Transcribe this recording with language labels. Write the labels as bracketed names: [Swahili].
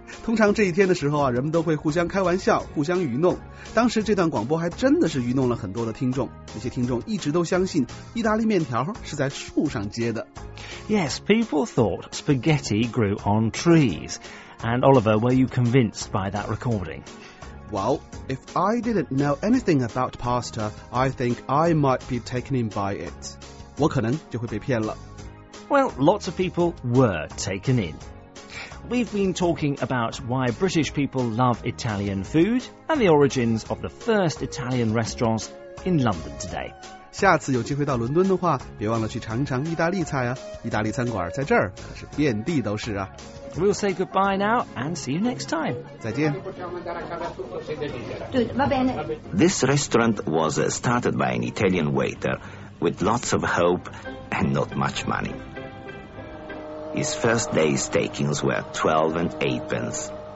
[Chinese] 通常这一天的时候啊，人们都会互相开玩笑，互相愚弄。当时这段广播还真的是愚弄了很多的听众，那些听众一直都相信意大利面条是在树上结的。 [English] Yes, people thought spaghetti grew on trees. And Oliver, were you convinced by that recording? Well, if I didn't know anything about pasta, I think I might be taken in by it. [Chinese] 我可能就会被骗了。 [English] Well, lots of people were taken in. We've been talking about why British people love Italian food and the origins of the first Italian restaurants in London today. [Chinese] 下次有机会到伦敦的话，别忘了去尝尝意大利菜啊！意大利餐馆在这儿可是遍地都是啊。 [English] We'll say goodbye now and see you next time. [Chinese] 再见。 [English] This restaurant was started by an Italian waiter with lots of hope and not much money. His first day's takings were 12 and 8 pence.